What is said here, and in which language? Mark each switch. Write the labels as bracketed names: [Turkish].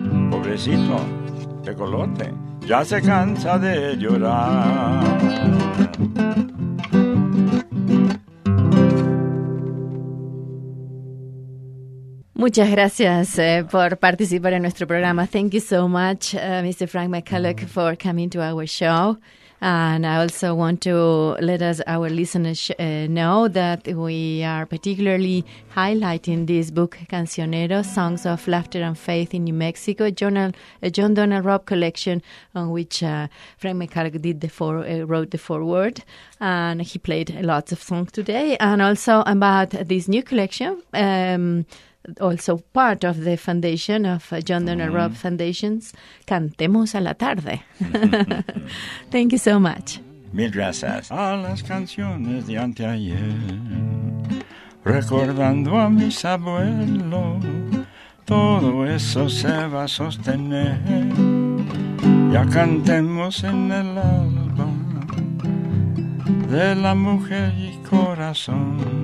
[Spanish] Pobrecito tecolote, ya se cansa de llorar. Muchas gracias por participar en nuestro programa. [English] Thank you so much, Mr. Frank McCulloch, for coming to our show. And I also want to let us, our listeners know that we are particularly highlighting this book, Cancionero, Songs of Laughter and Faith in New Mexico, John Donald Robb collection, on which Frank McCulloch wrote the foreword. And he played lots of songs today. And also about this new collection, also part of the foundation of John Donald Robb Foundation's Cantemos a la Tarde. Thank you so much. [Spanish] Mil gracias. A las canciones de anteayer, recordando a mis abuelos, todo eso se va a sostener. Ya cantemos en el alba de la mujer y corazón.